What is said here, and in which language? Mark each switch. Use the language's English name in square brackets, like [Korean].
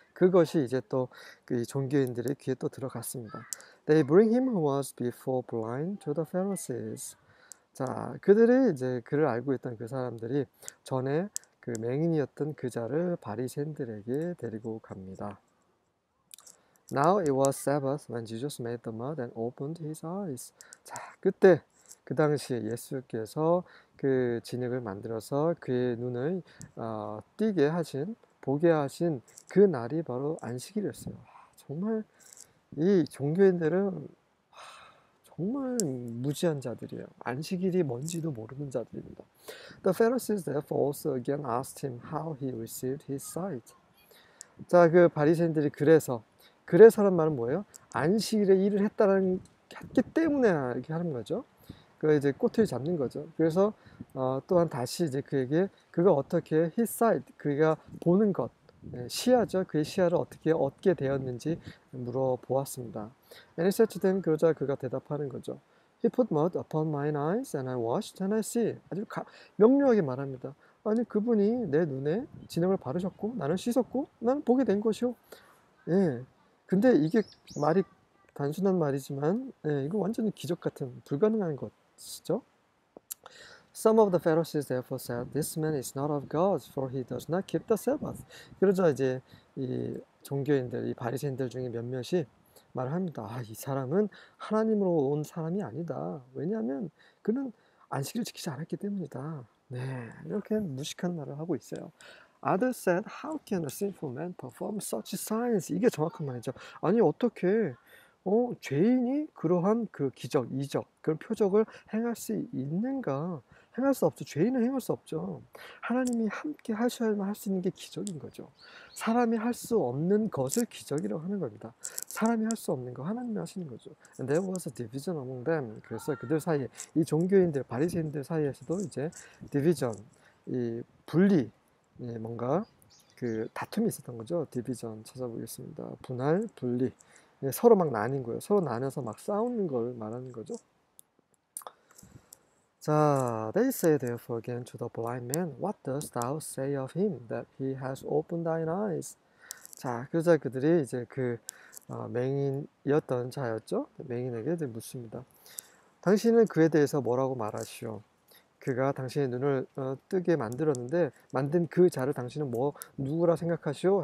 [Korean] 그것이 이제 또그 종교인들의 귀에 또 들어갔습니다. [English] They bring him who was before blind to the Pharisees. [Korean] 자, 그들이 이제 그를 알고 있던 그 사람들이 전에 그 맹인이었던 그 자를 바리새인들에게 데리고 갑니다. [English] Now it was Sabbath when Jesus made the mud and opened his eyes. [Korean] 자, 그때 그 당시에 예수께서 그 진흙을 만들어서 그의 눈을 띄게 하신, 보게 하신 그 날이 바로 안식일이었어요. 정말 이 종교인들은 정말 무지한 자들이에요. 안식일이 뭔지도 모르는 자들입니다. [English] The Pharisees therefore also again asked him how he received his sight. [Korean] 자, 그 바리새인들이 그래서란 말은 뭐예요? 안식일에 일을 했기 때문에 이렇게 하는 거죠. 그 이제 꼬투리 잡는 거죠. 그래서 또한 다시 이제 그에게 그가 어떻게 his sight, 그가 보는 것, 시야죠. 그의 시야를 어떻게 얻게 되었는지 물어보았습니다. [English] And he said to them, [Korean] 그러자 그가 대답하는 거죠. [English] He put mud upon mine eyes and I washed and I see. [Korean] 아주 명료하게 말합니다. 아니, 그분이 내 눈에 진흙을 바르셨고 나는 씻었고 나는 보게 된 것이요. 예. 근데 이게 말이 단순한 말이지만, 이거 완전히 기적 같은 불가능한 것. 시죠? [English] Some of the Pharisees therefore said, This man is not of God, for he does not keep the Sabbath. [Korean] 그러자 이제 이 종교인들, 이 바리새인들 중에 몇몇이 말합니다. 아, 이 사람은 하나님으로 온 사람이 아니다. 왜냐하면 그는 안식일을 지키지 않았기 때문이다. 네, 이렇게 무식한 말을 하고 있어요. [English] Others said, How can a sinful man perform such signs? [Korean] 이게 정확한 말이죠. 아니, 어떻게? 죄인이 그러한 그 기적, 이적, 그런 표적을 행할 수 있는가? 행할 수 없죠. 죄인은 행할 수 없죠. 하나님이 함께 하셔야만 할수 있는 게 기적인 거죠. 사람이 할수 없는 것을 기적이라고 하는 겁니다. 사람이 할수 없는 거 하나님이 하시는 거죠. [English] And there was a division among them. [Korean] 그래서 그들 사이에 이 종교인들, 바리새인들 사이에서도 이제 division, 이 분리, 뭔가 그 다툼이 있었던 거죠. division 찾아보겠습니다. 분할, 분리. 서로 막 나뉜 거예요. 서로 나뉘어서 막 싸우는 걸 말하는 거죠. [English] 자, they say therefore again to the blind man, What dost thou say of him that he has opened thine eyes? [Korean] 자, 그러자 그들이 이제 그 맹인이었던 자였죠. 맹인에게 묻습니다. 당신은 그에 대해서 뭐라고 말하시오? 그가 당신의 눈을 뜨게 만들었는데 만든 그 자를 당신은 뭐 누구라 생각하시오?